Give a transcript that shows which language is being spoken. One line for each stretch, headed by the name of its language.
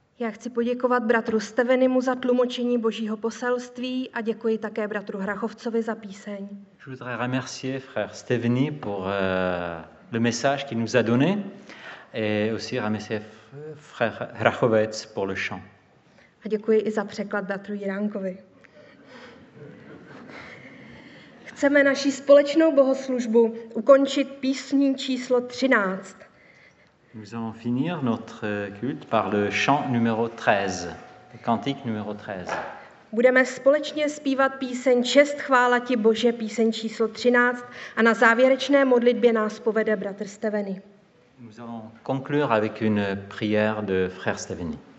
Czech: Chci poděkovat bratru Stevenimu za tlumočení Božího poselství a děkuji také bratru Hrachovcovi za píseň.
French: Je voudrais remercier frère Stevenny pour le message qu'il nous a donné et aussi remercier frère Hrachovec pour le chant.
Czech: A děkuji i za překlad bratru Jiránkovi. Chceme naši společnou bohoslužbu ukončit písní číslo 13.
French: Nous allons finir notre culte par le chant numéro 13, le cantique numéro 13.
Czech: Budeme společně zpívat píseň Čest chvála ti Bože, píseň číslo 13 a na závěrečné modlitbě nás povede bratr Steveny.
French: Nous allons conclure avec une prière de frère Steveny.